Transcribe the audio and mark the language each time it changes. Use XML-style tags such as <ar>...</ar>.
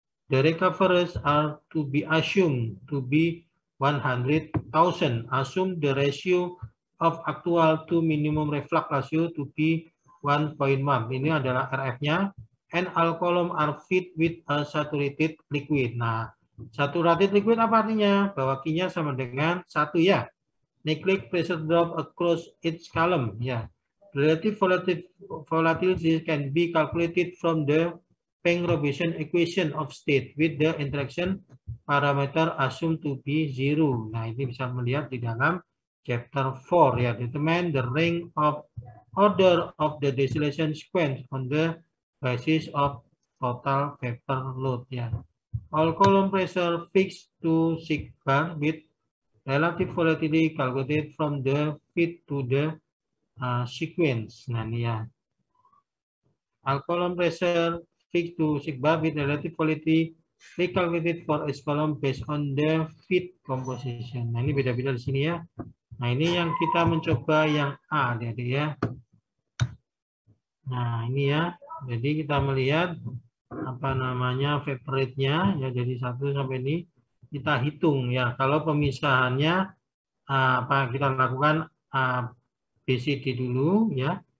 <en>The recoveries are to be assumed to be 100,000. Assume the ratio of actual to minimum reflux ratio to be 1.1.</en> <id>Ini adalah RF-nya.</id> <en>And all column are fit with a saturated liquid.</en> <id>Nah, saturated liquid apa artinya? Bahwa Q-nya sama dengan 1 ya.</id> <en>Neglect pressure drop across each column.</en> <id>Ya.</id> <en>Yeah. Relative volatility can be calculated from the Penck-Robinson equation of state with the interaction parameter assumed to be 0.</en> <id>Nah, ini bisa melihat di dalam chapter 4 ya,</id> <en>determine the rank of order of the distillation sequence on the basis of total vapor load ya. All column pressure fixed to sigma with relative volatility calculated from the feed to the sequence.</en> <id>Nah ini ya.</id> <en>All column pressure fixed to sigma with relative volatility calculated for each column based on the feed composition.</en> <id>Nah ini beda-beda di sini ya. Nah, ini yang kita mencoba yang A, jadi ya. Nah, ini ya. Jadi kita melihat apa namanya vapor rate-nya ya, jadi 1 sampai ini kita hitung ya. Kalau pemisahannya apa kita lakukan BCD dulu ya.</id>